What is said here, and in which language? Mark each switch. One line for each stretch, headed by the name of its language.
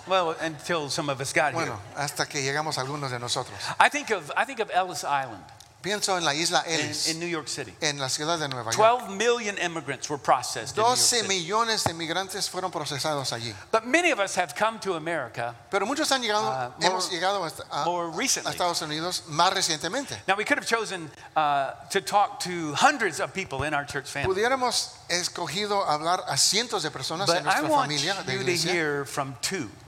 English: Well, until some of us got
Spanish: bueno,
English: here.
Spanish: Hasta que llegamos algunos de nosotros.
English: I think of Ellis Island.
Spanish: Pienso en la isla Ellis.
English: In New York City.
Spanish: En la ciudad de Nueva York.
English: 12 million immigrants were processed in New York City.
Spanish: 12 millones de migrantes fueron procesados allí.
English: But many of us have come to America.
Spanish: Pero muchos han llegado, hemos llegado a Estados Unidos más recientemente.
English: Now we could have chosen to talk to hundreds of people in our church family.
Spanish: Pudiéramos escogido hablar a cientos de personas
English: but
Spanish: en nuestra familia de iglesia.
English: But I want you to hear from two.